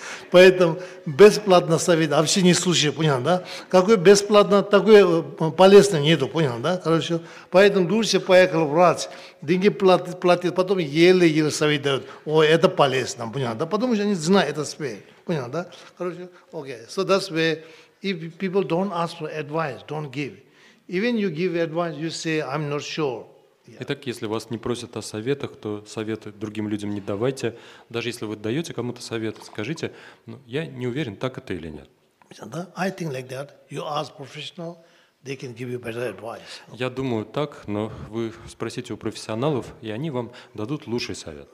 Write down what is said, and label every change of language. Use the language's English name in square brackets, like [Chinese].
[Russian] Поэтому бесплатно совет вообще не слушай, понял, да? Какой бесплатно, такой полезный нету, понял, да? Хорошо. Поэтому лучше поехал врач, деньги платит, потом еле-еле совет дает. Ой, это полезно, понял, да? Потому что они знают это себе, понял, да? Хорошо. Окей. [English] So that's where if people don't ask for advice, don't give. Even you give advice, you say, I'm not sure. [Russian] Итак, если вас не просят о советах, то советы другим людям не давайте. Даже если вы даете кому-то совет, скажите, ну, я не уверен, так это или нет. [English] I think like that. You ask professional, they can give you better advice. [Russian] Я думаю так, но вы спросите у профессионалов, и они вам дадут лучший совет.